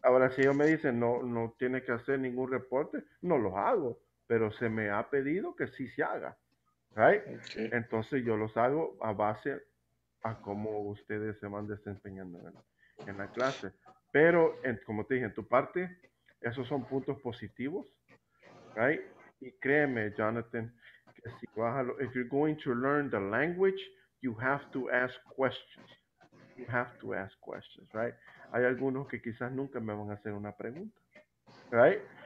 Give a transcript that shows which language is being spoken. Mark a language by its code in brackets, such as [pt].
[es] Ahora, si ellos me dicen, no tiene que hacer ningún reporte, no los hago, pero se me ha pedido que sí se haga, right? [en] Okay. [es] Entonces, yo los hago a base a cómo ustedes se van desempeñando en la clase. Pero, como te dije, en tu parte, esos son puntos positivos, right? Y créeme, Jonathan, que si vas a... [en] If you're going to learn the language, you have to ask questions. You have to ask questions, right? [es] Hay algunos que quizás nunca me van a hacer una pregunta, right?